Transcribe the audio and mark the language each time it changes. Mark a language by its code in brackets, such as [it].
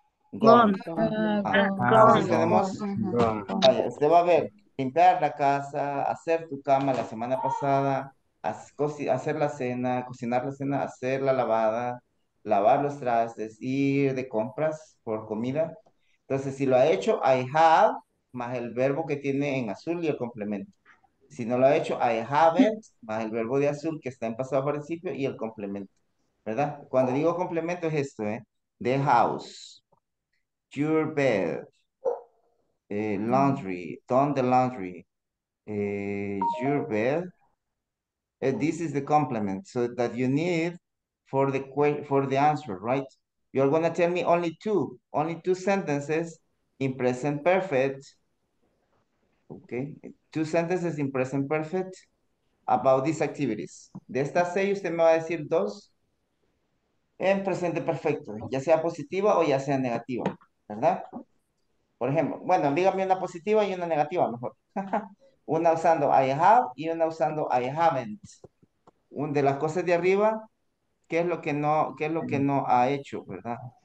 [es] Tenemos, usted va a ver, limpiar la casa, hacer tu cama la semana pasada, hacer la cena, cocinar la cena, hacer la lavada, lavar los trastes, ir de compras por comida. Entonces, si lo ha hecho, [en] I have, [es] más el verbo que tiene en azul y el complemento. Si no lo ha hecho, [en] I haven't, [es] más el verbo de azul que está en pasado participio y el complemento, ¿verdad? Cuando digo complemento es esto, [en] the house. Your bed, laundry, done the laundry, your bed. This is the complement, so that you need for the answer, right? You're gonna tell me only two sentences in present perfect Okay. Two sentences in present perfect about these activities. [es] De estas seis, usted me va a decir dos en presente perfecto, ya sea positiva o ya sea negativa, ¿verdad? Por ejemplo, bueno, dígame una positiva y una negativa mejor. Una usando [en] I have [es] y una usando [en] I haven't. [es] Un de las cosas de arriba, ¿qué es lo que no, qué es lo que no ha hecho, verdad?